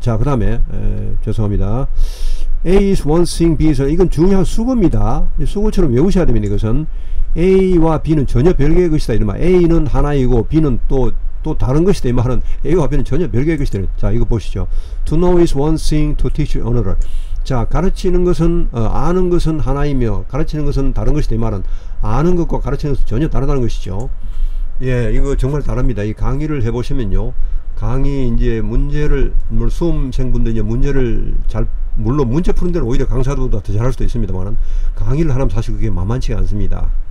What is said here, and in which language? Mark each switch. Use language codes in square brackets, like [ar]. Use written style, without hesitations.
[ko] 자, 그 다음에, 죄송합니다. [en] A is one thing, B is another. [ko] 이건 중요한 수거입니다. 수거처럼 외우셔야 됩니다, 이것은. A와 B는 전혀 별개의 것이다. 이런 말. A는 하나이고, B는 또 다른 것이다. 이 말은 A와 B는 전혀 별개의 것이다. 자, 이거 보시죠. [en] To know is one thing, to teach another. [ko] 자, 가르치는 것은 아는 것은 하나이며 가르치는 것은 다른 것이다. 이 말은 아는 것과 가르치는 것은 전혀 다르다는 것이죠. 예, 이거 정말 다릅니다. 이 강의를 해보시면요, 강의 이제 문제를 수험생분들 이제 문제를 잘, 물론 문제 푸는 데는 오히려 강사들보다 더 잘할 수도 있습니다만은 강의를 하면 사실 그게 만만치가 않습니다.